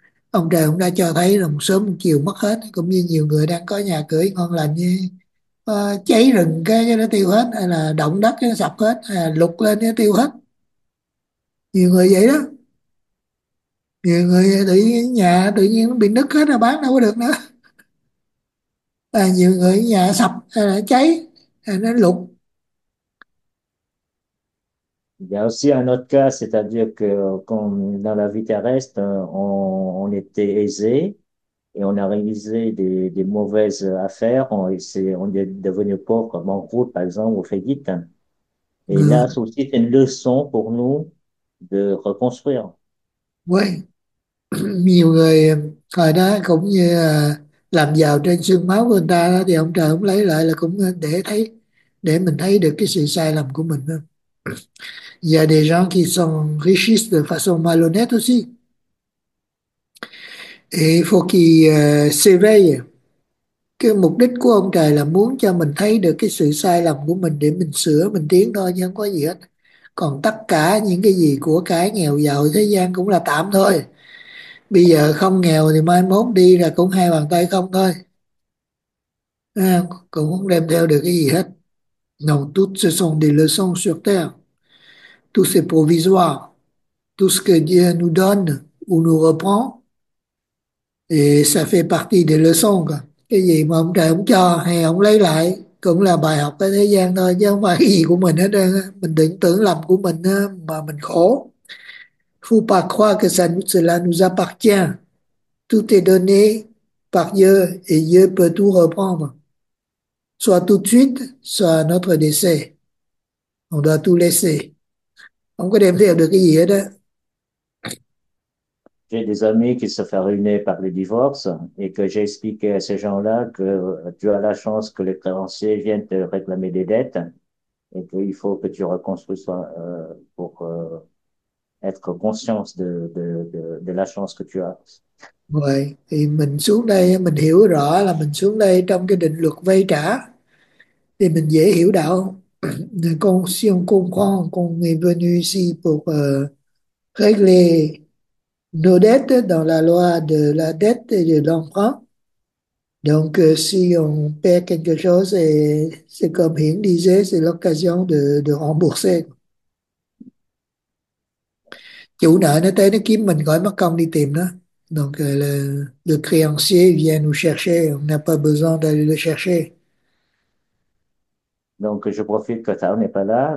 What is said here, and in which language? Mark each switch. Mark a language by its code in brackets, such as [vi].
[vi] Ông trời ông đã cho thấy là một sớm một chiều mất hết, cũng như nhiều người đang có nhà cửa ngon lành như cháy rừng cái nó tiêu hết, hay là động đất cái nó sập hết, hay là lụt lên nó tiêu hết, nhiều người vậy đó. Nhiều người tự nhiên nhà tự nhiên nó bị nứt hết rồi bán đâu có được nữa. Nhiều người nhà sập hay là cháy hay nó lụt. [fr] Il y a aussi un autre cas, c'est-à-dire que comme dans la vie terrestre, on était aisé et on a réalisé des mauvaises affaires, on est devenu pauvre, banqueroute par exemple, ou faillite. Et là, c'est aussi une leçon pour nous de reconstruire. Ouais. [vi] Nhiều người hồi đó cũng như làm giàu trên xương máu của người ta đó, thì ông trời ông lấy lại là cũng để thấy, để mình thấy được cái sự sai lầm của mình. [fr] Il y a des gens qui sont riches de façon malhonnête aussi. Et faut qu'ils s'éveillent. [vi] Cái mục đích của ông trời là muốn cho mình thấy được cái sự sai lầm của mình để mình sửa, mình tiến thôi, chứ không có gì hết. Còn tất cả những cái gì của cái nghèo giàu thế gian cũng là tạm thôi. Bây giờ không nghèo thì mai mốt đi là cũng hai bàn tay không thôi. À, cũng không đem theo được cái gì hết. [fr] Non, tout ce sont des leçons sur terre. Tout c'est provisoire. Tout ce que Dieu nous donne ou nous reprend. Et ça fait partie des leçons. [vi] Cái gì mà ông trời ông cho hay ông lấy lại cũng là bài học ở thế gian thôi, chứ không phải cái gì của mình hết trơn. Mình đừng tưởng lầm của mình mà mình khổ. [fr] Faut pas croire que ça, cela nous appartient. Tout est donné par Dieu et Dieu peut tout reprendre. Soit tout de suite, soit notre décès. On doit tout laisser. On peut même faire de [vi] cái gì hết. [fr] J'ai des amis qui se font ruiner par le divorce et que j'ai expliqué à ces gens-là que tu as la chance que les créanciers viennent te réclamer des dettes et qu'il faut que tu reconstruis pour être conscience de la chance que tu as. Ouais. [vi] Thì mình xuống đây mình hiểu rõ là mình xuống đây trong cái định luật vay trả thì mình dễ hiểu đạo. [fr] Con si on comprend qu'on est venu ici pour régler nos dettes dans la loi de la dette et de l'emprunt. Donc si on perd quelque chose, c'est comme Hiển disait, c'est l'occasion de rembourser. [vi] Chủ nợ nó tới nó kiếm mình gọi mất công đi tìm đó. [fr] Donc, le créancier vient nous chercher. On n'a pas besoin d'aller le chercher. Donc, je profite que ça n'est pas là.